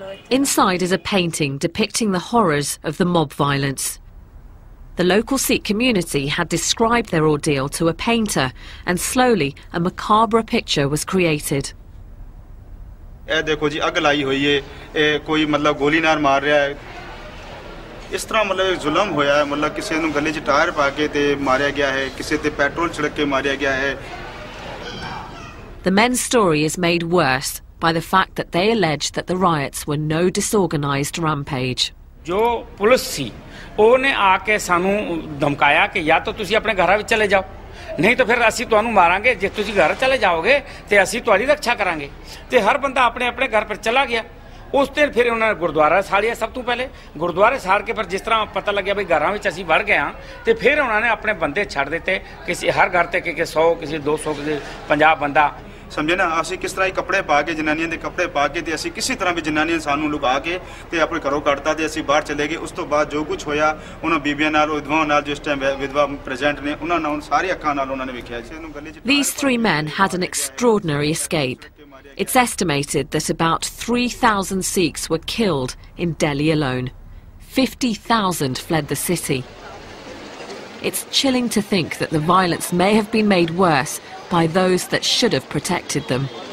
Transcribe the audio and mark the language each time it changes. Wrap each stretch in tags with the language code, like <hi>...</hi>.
<en>Inside is a painting depicting the horrors of the mob violence. The local Sikh community had described their ordeal to a painter, and slowly a macabre picture was created. Look, there's a fire. Someone is shooting a gun.</en> <pa>ਇਸ ਤਰ੍ਹਾਂ ਮਤਲਬ ਜ਼ੁਲਮ ਹੋਇਆ ਮਤਲਬ ਕਿਸੇ ਨੂੰ ਗਲੇ 'ਚ ਟਾਇਰ ਪਾ ਕੇ ਅਤੇ ਮਾਰਿਆ ਗਿਆ ਹੈ, ਕਿਸੇ 'ਤੇ ਪੈਟਰੋਲ ਛਿੜਕ ਕੇ ਮਾਰਿਆ ਗਿਆ ਹੈ.</pa> <en>The men's story is made worse by the fact that they allege that the riots were no disorganized rampage.</en> <pa>ਜੋ ਪੁਲਿਸ ਸੀ ਉਹਨੇ ਆ ਕੇ ਸਾਨੂੰ ਧਮਕਾਇਆ ਕਿ ਜਾਂ ਤਾਂ ਤੁਸੀਂ ਆਪਣੇ ਘਰਾਂ ਵਿੱਚ ਚਲੇ ਜਾਓ, ਨਹੀਂ ਤਾਂ ਫਿਰ ਅਸੀਂ ਤੁਹਾਨੂੰ ਮਾਰਾਂਗੇ. ਜੇ ਤੁਸੀਂ ਘਰ ਚਲੇ ਜਾਓਗੇ ਤੇ ਅਸੀਂ ਤੁਹਾਡੀ ਰੱਖਿਆ ਕਰਾਂਗੇ. ਤੇ ਹਰ ਬੰਦਾ ਆਪਣੇ ਆਪਣੇ ਘਰ ਪਰ ਚਲਾ ਗਿਆ. ਉਸ ਤੇ ਫਿਰ ਉਹਨਾਂ ਨੇ ਗੁਰਦੁਆਰਾ ਸਾੜਿਆ. ਸਭ ਤੋਂ ਪਹਿਲੇ ਗੁਰਦੁਆਰੇ ਸਾੜ ਕੇ ਫਿਰ ਜਿਸ ਤਰ੍ਹਾਂ ਪਤਾ ਲੱਗਿਆ ਵੀ ਘਰਾਂ ਵਿੱਚ ਅਸੀਂ ਵੜ ਗਏ ਹਾਂ, ਤੇ ਫਿਰ ਉਹਨਾਂ ਨੇ ਆਪਣੇ ਬੰਦੇ ਛੱਡ ਦਿੱਤੇ, ਕਿਸੇ ਹਰ ਘਰ ਤੇ ਕਿਸੇ 100, ਕਿਸੇ 200, ਕਿਸੇ 50 ਬੰਦਾ. ਸਮਝੇ ਨਾ, ਅਸੀਂ ਕਿਸ ਤਰ੍ਹਾਂ ਕੱਪੜੇ ਪਾ ਕੇ, ਜਨਾਨੀਆਂ ਦੇ ਕੱਪੜੇ ਪਾ ਕੇ, ਤੇ ਅਸੀਂ ਕਿਸੇ ਤਰ੍ਹਾਂ ਵੀ ਜਨਾਨੀਆਂ ਸਾਨੂੰ ਲੁਕਾ ਕੇ ਤੇ ਆਪਣੇ ਘਰੋਂ ਕੱਢਤਾ ਤੇ ਅਸੀਂ ਬਾਹਰ ਚਲੇ ਗਏ. ਉਸ ਤੋਂ ਬਾਅਦ ਜੋ ਕੁਛ ਹੋਇਆ ਉਹਨਾਂ ਬੀਬੀਆਂ ਨਾਲ, ਵਿਧਵਾਵਾਂ ਨਾਲ, ਜਿਸ ਟਾਈਮ ਵਿਧਵਾ ਪ੍ਰੈਜ਼ੈਂਟ ਨੇ, ਉਹਨਾਂ ਨਾਲ ਸਾਰੀ ਅੱਖਾਂ ਨਾਲ ਉਹਨਾਂ ਨੇ ਵੇਖਿਆ.</pa> <en>These three men had an extraordinary escape. It's estimated that about 3,000 Sikhs were killed in Delhi alone. 50,000 fled the city. It's chilling to think that the violence may have been made worse by those that should have protected them.</en>